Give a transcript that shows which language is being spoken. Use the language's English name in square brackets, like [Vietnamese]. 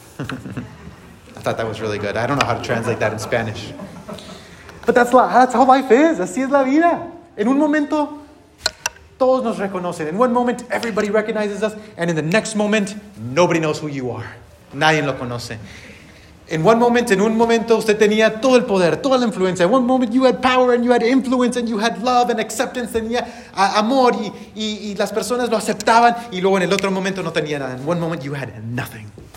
[English] I thought that was really good. I don't know how to translate that in Spanish. But that's how life is. [Spanish] Así es la vida. En un momento, todos nos reconocen. [English] In one moment, everybody recognizes us. And in the next moment, nobody knows who you are. [Spanish] Nadie lo conoce. [English] In one moment, [Spanish] usted tenía todo el poder, toda la influencia. [English] In one moment, you had power and you had influence and you had love and acceptance. [Spanish] Tenía amor y las personas lo aceptaban. Y luego en el otro momento no tenía nada. [English] In one moment, you had nothing.